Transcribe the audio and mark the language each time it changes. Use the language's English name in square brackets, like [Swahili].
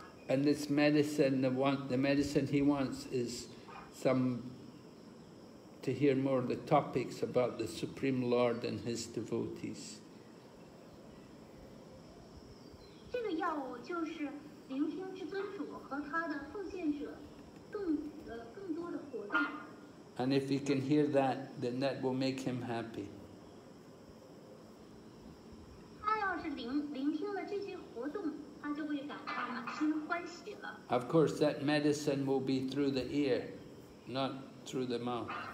[English] And this medicine, the medicine he wants is some to hear more of the topics about the Supreme Lord and his devotees. [Chinese] 这个药物就是聆听至尊主和他的奉献者更多的活动。 [English] And if he can hear that, then that will make him happy. [Chinese] 他要是聆听了这些活动，他就会感到满心欢喜了。 [English] Of course, that medicine will be through the ear, not through the mouth.